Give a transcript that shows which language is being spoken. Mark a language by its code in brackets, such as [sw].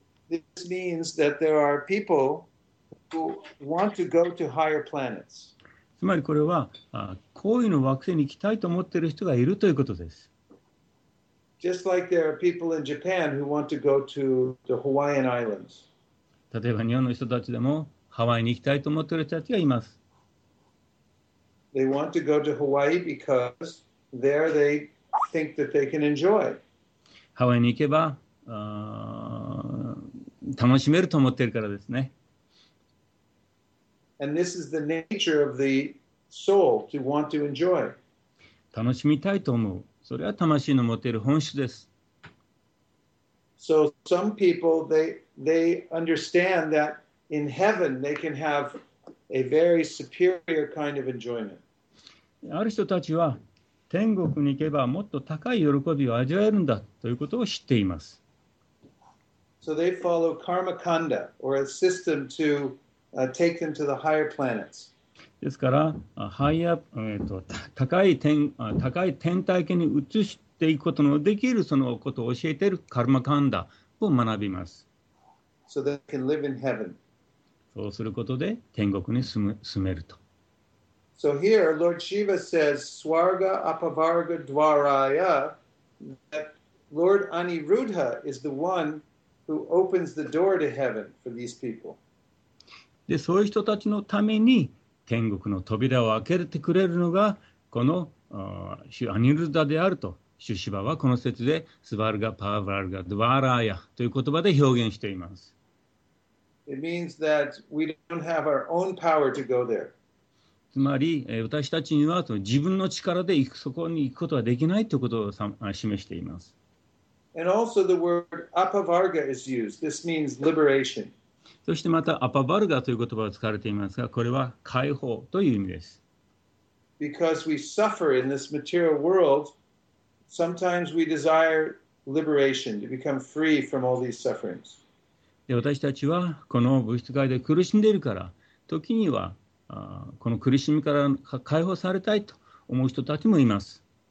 [en] This means that there are people who want to go to higher planets. [ja] つまりこれは、高位の惑星に行きたいと思っている人がいるということです。 [en] Just like there are people in Japan who want to go to the Hawaiian Islands. [ja] 例えば日本の人たちでもハワイに行きたいと思っている人たちがいます。 [en] They want to go to Hawaii because there they think that they can enjoy. [ja] ハワイに行けば、楽しめると思っているからですね。 [en] And this is the nature of the soul to want to enjoy. [ja] 楽しみたいと思う。それは魂の持っている本質です。 [en] So some people, they understand that in heaven they can have a very superior kind of enjoyment. [ja] ある人たちは天国に行けばもっと高い喜びを味わえるんだということを知っています。 [en] So they follow karmakanda or a system to take them to the higher planets. [ja] ですから、高い天体系に移していくことのできるそのことを教えているカルマカンダを学びます。 [en] So they can live in heaven. [ja] そうすることで天国に住めると。 [en] So here, Lord Shiva says, Swarga Apavarga Dwaraya, that Lord Aniruddha is the one who opens the door to heaven for these people. [ja] で、そういう人たちのために天国の扉を開けてくれるのが、この、アニルダであると、シュシバはこの説で、スバルガ・パーバルガ・ドゥワラヤという言葉で表現しています。 [en] It means that we don't have our own power to go there. [ja] つまり、私たちにはその自分の力で行くそこに行くことはできないということを示しています。 [en] And also the word apavarga is used. This means liberation. [ja] そしてまたアパバルガという言葉を使われていますが、これは解放という意味です。 [en] Because we suffer in this material world, sometimes we desire liberation, to become free from all these sufferings. [ja] で、私たちはこの物質界で苦しんでいるから、時にはこの苦しみから解放されたいと思う人たちもいます。